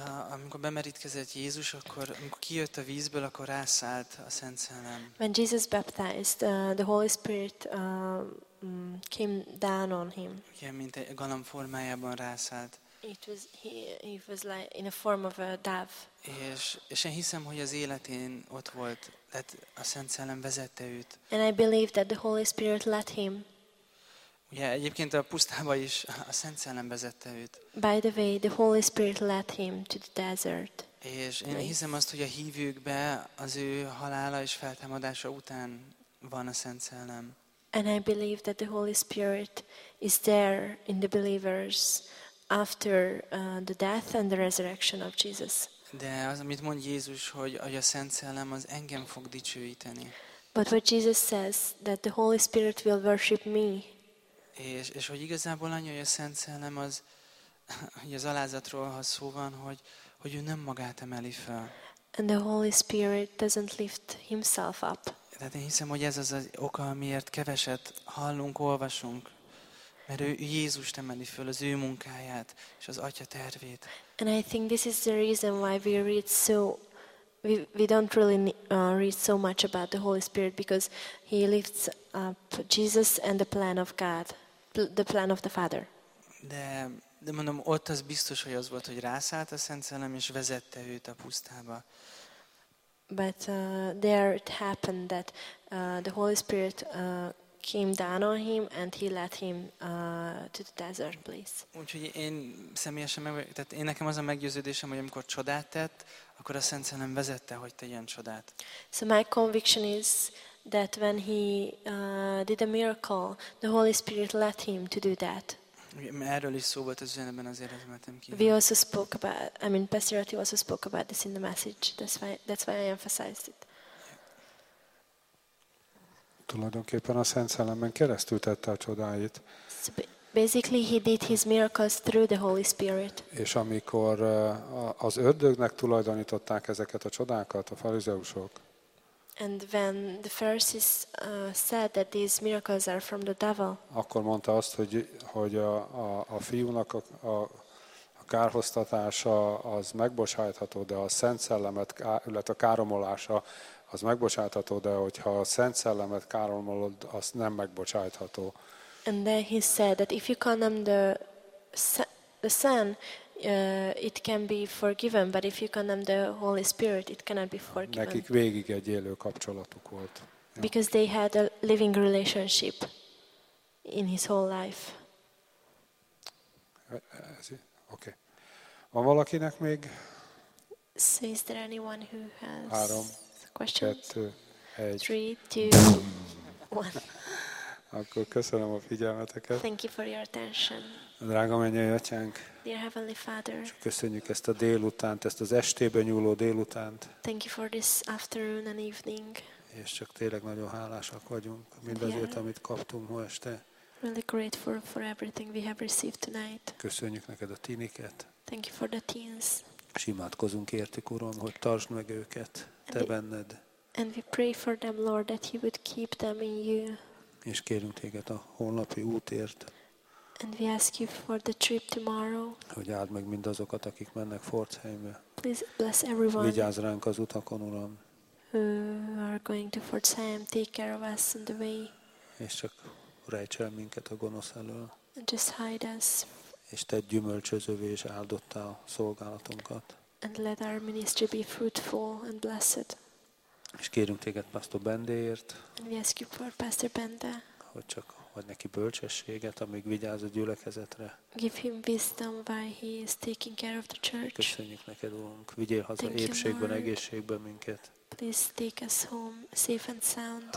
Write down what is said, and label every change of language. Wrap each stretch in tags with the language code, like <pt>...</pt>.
<hu>Amikor bemerítkezett Jézus, akkor amikor kijött a vízből, akkor rászállt a Szent Szellem.</hu> <en>When Jesus baptized, the Holy Spirit came down on him.</en> <hu>Igen, mint egy galamb formájában rászállt.</hu> <en>It was like in a form of a dove.</en> <hu>És én hiszem, hogy az életén ott volt, tehát a Szent Szellem vezette őt.</hu> <en>And I believe that the Holy Spirit led him.</en> <hu>Ja, egyébként a pusztába is a Szent Szellem vezette őt.</hu> <en>By the way, the Holy Spirit led him to the desert.</en> <hu>És én hiszem azt, hogy a hívőkbe az ő halála és feltámadása után van a Szent Szellem.</hu> <en>And I believe that the Holy Spirit is there in the believers after the death and the resurrection of Jesus.</en> <hu>De az, amit mond Jézus, hogy a Szent Szellem az engem fog dicsőíteni.</hu> <en>But what Jesus says, that the Holy Spirit will worship me.</en> <hu>És hogy igazából annyi, hogy a Szent Szellem az, hogy az alázatról, ha szó van, hogy ő nem magát emeli fel.</hu> <en>And the Holy Spirit doesn't lift himself up.</en> <hu>Tehát én hiszem, hogy ez az az oka, miért keveset hallunk, olvasunk. Mert ő Jézust emeli föl, az ő munkáját, és az Atya tervét.</hu> <en>And I think this is the reason why we read so, we don't really read so much about the Holy Spirit, because he lifts up Jesus and the plan of God, the plan of the Father.</en> <hu>De mondom, ott az biztos, hogy az volt, hogy rászállt a Szent Szellem, és vezette őt a pusztába.</hu> <en>But there it happened that the Holy Spirit came down on him and he led him to the desert place.</en> <hu>Úgyhogy én személyesen tehát én nekem az a meggyőződésem, hogy amikor csodát tett, akkor a Szent Szellem vezette, hogy tegyen csodát.</hu> <en>So my conviction is that when he did a miracle, the Holy Spirit led him to do that.</en> <hu>Erről is szó volt az üzenetben, azért emeltem ki.</hu> <en>We also spoke about, I mean, Pastor Ati also spoke about this in the message. That's why I emphasized it.</en> <hu>Tulajdonképpen a Szent Szellemen keresztül tette a csodáit.</hu> <en>So basically, he did his miracles through the Holy Spirit.</en> <hu>És amikor az ördögnek tulajdonították ezeket a csodákat, a farizeusok.</hu> <en>And when the Pharisees said that these miracles are from the devil.</en> <hu>Akkor mondta azt, hogy a fiúnak a kárhoztatása az megbocsátható, de a Szent Szellemet, illetve a káromolása az megbocsátható, de hogyha a Szent Szellemet káromolod, az nem megbocsátható.</hu> <en>And then he said that if you condemn the Son, it can be forgiven, but if you condemn the Holy Spirit, it cannot be forgiven.</en> <hu>Nekik végig egy élő kapcsolatuk volt.</hu> <en>Because they had a living relationship in his whole life.</en> <hu>Okay. Van valakinek még?</hu> <en>So is there anyone who has</en> <hu>három,</hu> <en>questions?</en> <hu>3, 2, 1.</hu> <en>3, 2, 1.</en> <hu>Akkor köszönöm a figyelmeteket.</hu> <en>Thank you for your attention.</en> <hu>Drága mennyei atyánk.</hu> <en>Dear Heavenly Father.</en> <hu>Köszönjük ezt a délutánt, ezt az estébe nyúló délutánt.</hu> <en>Thank you for this afternoon and evening.</en> <hu>És csak tényleg nagyon hálásak vagyunk mindazért, amit kaptunk ma este.</hu> <en>Really grateful for everything we have received tonight.</en> <hu>Köszönjük neked a tiniket.</hu> <en>Thank you for the teens.</en> <hu>És imádkozunk értük, Uram, hogy tartsd meg őket, te benned.</hu> <en>And we pray for them, Lord, that you would keep them in you.</en> <hu>És kérünk téged a holnapi útért.</hu> <en>And we ask you for the trip tomorrow.</en> <hu>Hogy áld meg mindazokat, akik mennek Pforzheimbe.</hu> <en>Please bless everyone.</en> <hu>Vigyázz ránk az utakon, Uram.</hu> <en>Who are going to Pforzheim, take care of us on the way.</en> <hu>És csak rejts el minket a gonosz elől.</hu> <en>And just hide us.</en> <hu>És tedd gyümölcsözővé és áldottá a szolgálatunkat.</hu> <en>And let our ministry be fruitful and blessed.</en> <hu>És kérünk téged Pastor Bendéért.</hu> <en>And we ask you for Pastor Bende.</en> <hu>Hogy csak adj neki bölcsességet, amíg vigyáz a gyülekezetre.</hu> <en>Give him wisdom while he is taking care of the church.</en> <hu>Köszönjük neked, Úrunk. Vigyél haza épségben, egészségben minket.</hu> <en>Please take us home safe and sound.</en>